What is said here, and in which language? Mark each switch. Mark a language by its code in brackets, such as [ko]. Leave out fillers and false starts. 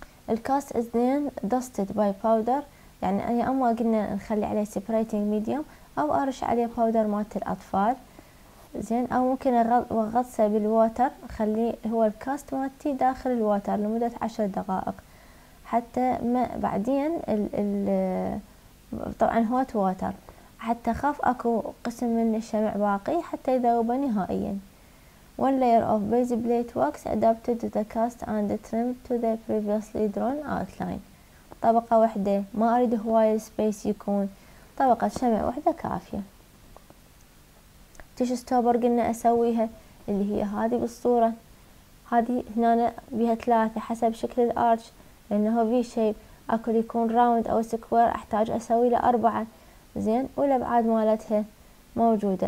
[ar] الكاست [en] is then dusted by powder, [ar] يعني يا اما قلنا نخلي عليه سيبريتنج ميديوم او ارش عليه باودر مات الاطفال زين، او ممكن اغطسه بالووتر اخليه هو الكاست ماتي داخل الووتر لمدة 10 دقائق حتى ما بعدين ال طبعا هوت ووتر حتى خاف اكو قسم من الشمع باقي حتى يذوبه نهائيا. [en] One layer of base plate wax adapted to the cast and trimmed to the previously drawn outline. [ar] طبقة واحدة ما اريد هواية سبيس يكون، طبقة شمع واحدة كافية. تيش ستوبر قلنا اسويها اللي هي هذه بالصورة، هذه هنا بها ثلاثة حسب شكل الارش لانه في شيب، اكل يكون راوند او سكوير احتاج اسوي له 4 زين، والابعاد مالتها موجوده.